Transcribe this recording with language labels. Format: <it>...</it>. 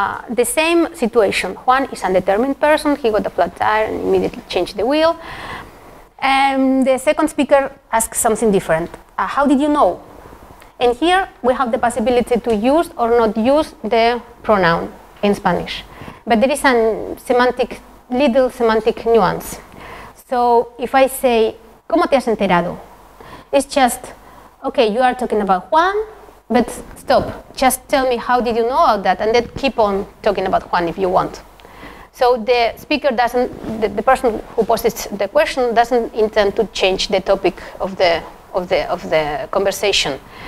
<en>The same situation. Juan is an undetermined person. He got a flat tire and immediately changed the wheel. The second speaker asks something different. How did you know? And here we have the possibility to use or not use the pronoun in Spanish. But there is a semantic, little semantic nuance. So if I say,</en> <es>¿cómo te has enterado?</es> <en>It's just, okay, you are talking about Juan, but stop. Just tell me how did you know all that, and then keep on talking about Juan if you want. So the speaker doesn't, the person who poses the question doesn't intend to change the topic of the conversation.</en>